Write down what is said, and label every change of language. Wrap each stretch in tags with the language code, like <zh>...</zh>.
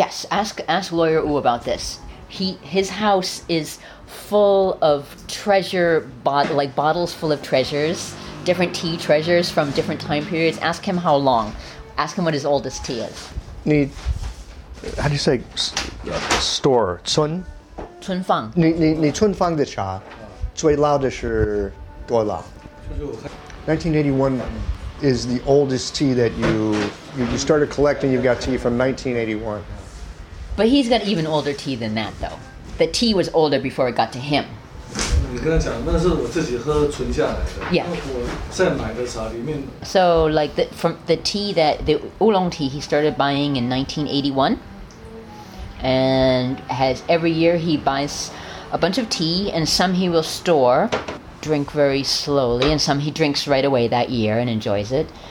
<en>Ask Lawyer Wu about this. His house is full of treasure, like bottles full of treasures, different tea treasures from different time periods. Ask him how long. Ask him what his oldest tea is. How do you say store? Sun?</en> <zh>存放。你存放的茶，最老的是多老？</zh> <en>1981 is the oldest tea that you started collecting. You've got tea from 1981. But he's got even older tea than that, though. The tea was older before it got to him.</en> <zh>你跟他讲，那是我自己喝存下来的。</zh> <en>Yeah.</en> <zh>我在买的茶里面。</zh> <en>So like from the tea that the oolong tea he started buying in 1981, and has every year he buys a bunch of tea and some he will store. Drink very slowly, and some he drinks right away that year and enjoys it.</en>